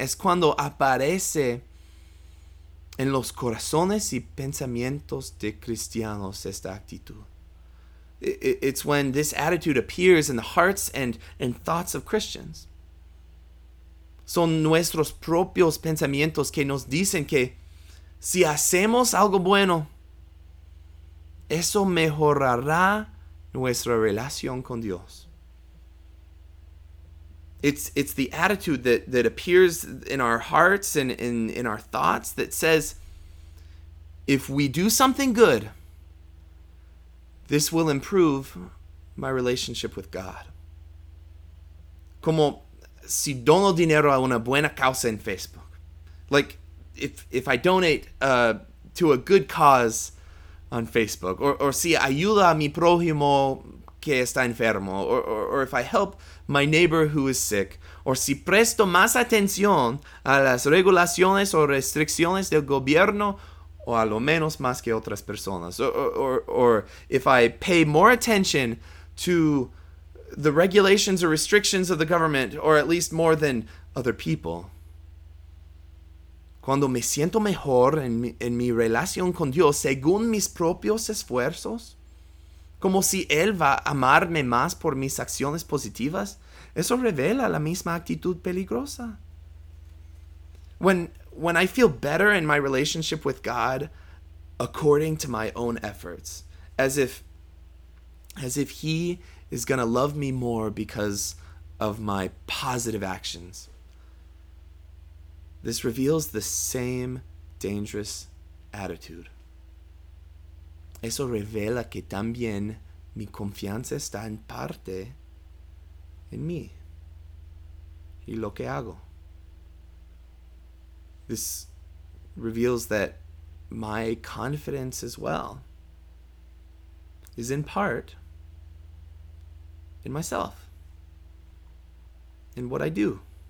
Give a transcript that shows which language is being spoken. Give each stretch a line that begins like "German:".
Spanish: Es cuando aparece en los corazones y pensamientos de cristianos esta actitud.
English: It's when this attitude appears in the hearts and thoughts of Christians.
Spanish: Son nuestros propios pensamientos que nos dicen que si hacemos algo bueno, eso mejorará nuestra relación con Dios.
English: It's the attitude that appears in our hearts and in our thoughts that says, if we do something good, this will improve my relationship with God.
Spanish: Como si dono dinero a una buena causa en Facebook.
English: Like, if I donate to a good cause on Facebook, or
Spanish: si ayuda a mi prójimo que está enfermo,
English: or if I help my neighbor who is sick, or
Spanish: si presto más atención a las regulaciones o restricciones del gobierno o a lo menos más que otras personas.
English: Or if I pay more attention to the regulations or restrictions of the government, or at least more than other people.
Spanish: Cuando me siento mejor en mi relación con Dios según mis propios esfuerzos, como si Él va a amarme más por mis acciones positivas, eso revela la misma actitud peligrosa.
English: When I feel better in my relationship with God according to my own efforts, as if He is going to love me more because of my positive actions, this reveals the same dangerous attitude.
Spanish: Eso revela que también mi confianza está en parte en mí y lo que hago.
English: This reveals that my confidence as well is in part in myself, in what I do.